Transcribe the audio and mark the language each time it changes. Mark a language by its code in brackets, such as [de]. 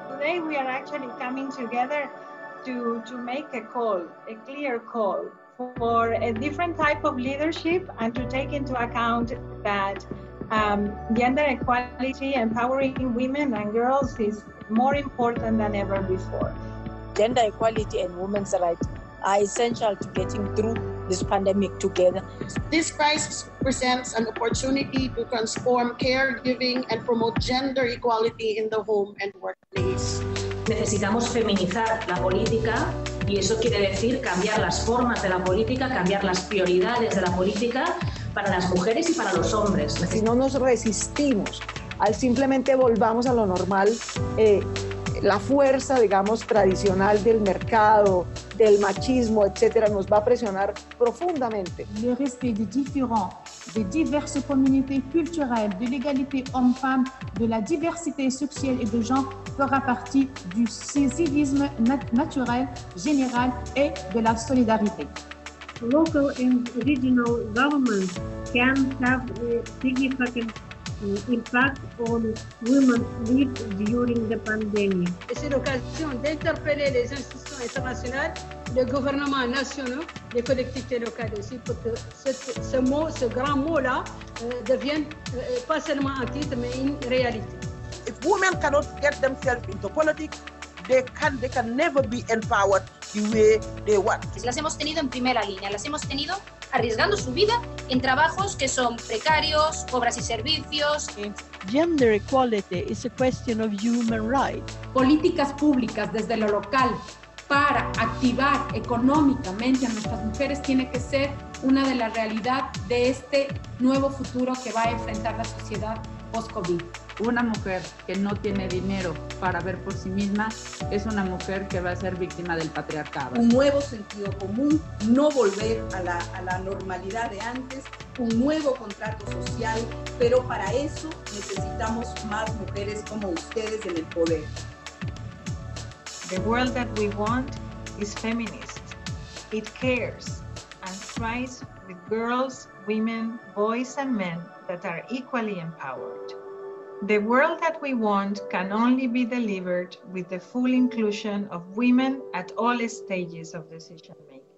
[en] Today we are actually coming together to make a call, a clear call for a different type of leadership and to take into account that gender equality, empowering women and girls, is more important than ever before. Gender equality and women's rights are essential to getting through this pandemic together. This crisis presents an opportunity to transform caregiving and promote gender equality in the home and workplace. [es] Necesitamos feminizar la política, y eso quiere decir cambiar las formas de la política, cambiar las prioridades de la política para las mujeres y para los hombres. Si no nos resistimos al simplemente volvamos a lo normal, la fuerza, digamos, tradicional del mercado, del machismo, etcétera, nos va a presionar profundamente. [fr] Le respect des différents, des diverses communautés culturelles, de l'égalité homme-femme, de la diversité sexuelle et de genre fera partie du civisme naturel, général et de la solidarité. [en] Local and regional governments can have a significant impact on women's lives during the pandemic. [fr] C'est l'occasion d'interpeller les institutions internationales, les gouvernements nationaux, les collectivités locales aussi, pour que ce grand mot-là devienne pas seulement un titre, mais une réalité. [en] If women cannot get themselves into politics, they can never be empowered the way they want. [es] Las hemos tenido en primera línea, las hemos tenido arriesgando su vida en trabajos que son precarios, obras y servicios. [en] Gender equality is a question of human rights. [es] Políticas públicas desde lo local para activar económicamente a nuestras mujeres tiene que ser una de las realidades de este nuevo futuro que va a enfrentar la sociedad post-COVID. Una mujer que no tiene dinero para ver por sí misma es una mujer que va a ser víctima del patriarcado. Un nuevo sentido común, no volver a la normalidad de antes, un nuevo contrato social, pero para eso necesitamos más mujeres como ustedes en el poder. [en] The world that we want is feminist. It cares and tries with girls, women, boys and men that are equally empowered. The world that we want can only be delivered with the full inclusion of women at all stages of decision making.